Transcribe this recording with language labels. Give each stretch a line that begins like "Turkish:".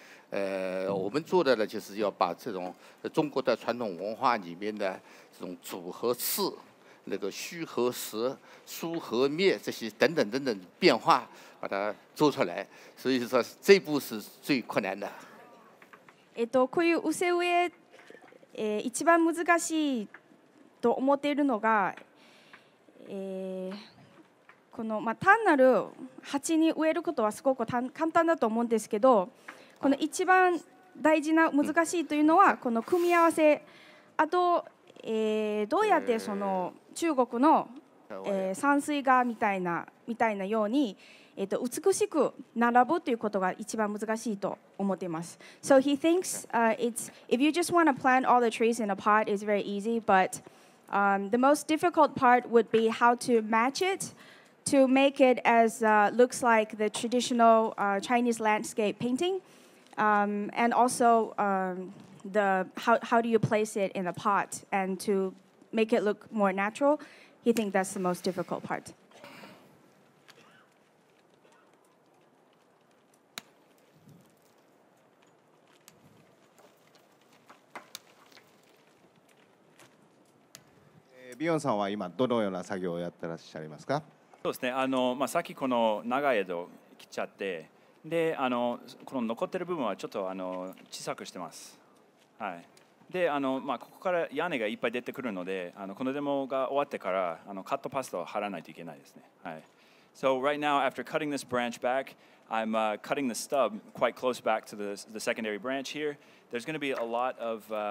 Chinese: 我们做的呢，就是要把这种中国的传统文化里面的这种组合式，那个虚和实、疏和灭这些等等等等变化，把它做出来。所以说，这一步是最困难的。
Japanese: こういう寄せ植え、一番難しいと思っているのが、この単なる鉢に植えることはすごく簡単だと思うんですけど。この一番大事な難しいというのはこの組み合わせ、あとどうやってその中国の山水画みたいなように美しく並ぶということが一番難しいと思っています。
English: So he thinks it's if you just want to plant all the trees in a pot is very easy, but the most difficult part would be how to match it. To make it as looks like the traditional Chinese landscape painting, and also the how do you place it in a pot and to make it look more natural, he thinks that's the most difficult part.
Japanese: ビヨンさんは今どのような作業をやってらっしゃいますか？そうですね、さっきこの長い枝を切っちゃって、で、この残ってる部分はちょっと小さくしてます。はい。で、ここから屋根がいっぱい出てくるので、このデモが終わってから、カットパストを貼らないといけないですね。はい。
English: So right now, after cutting this branch back, I'm cutting the stub quite close back to the secondary branch here. There's going to be a lot of,